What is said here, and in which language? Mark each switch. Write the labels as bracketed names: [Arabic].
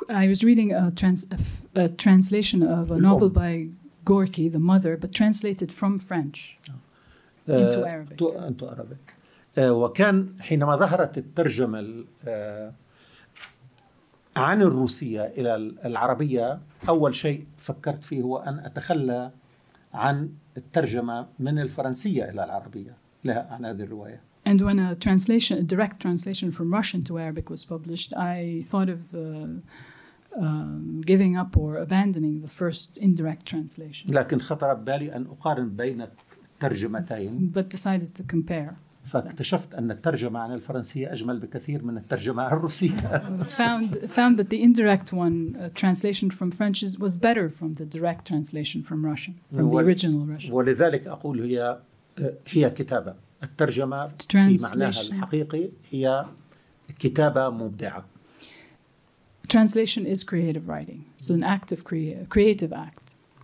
[English] I was reading a translation of a novel by Gorky, the mother, but translated from French into Arabic. Into Arabic. [Arabic] وكان حينما ظهرت الترجمة عن الروسية إلى العربية أول شيء فكرت فيه هو أن أتخلى عن الترجمة من الفرنسية إلى العربية لها عن هذه الرواية. [English] And when a translation, a direct translation from Russian to Arabic was published, I thought of giving up or abandoning the first indirect translation. [Arabic] لكن خطر ببالي أن أقارن بين الترجمتين. [English] But decided to compare. [Arabic] فاكتشفت أن الترجمة عن الفرنسية أجمل بكثير من الترجمة عن الروسية. [English] found that the indirect one, translation from French, was better from the direct translation from Russian, from the original Russian. [Arabic] ولذلك أقول هي كتابة. الترجمة في معناها الحقيقي هي كتابة مبدعة. [English] Translation is creative writing. It's an act of creative act.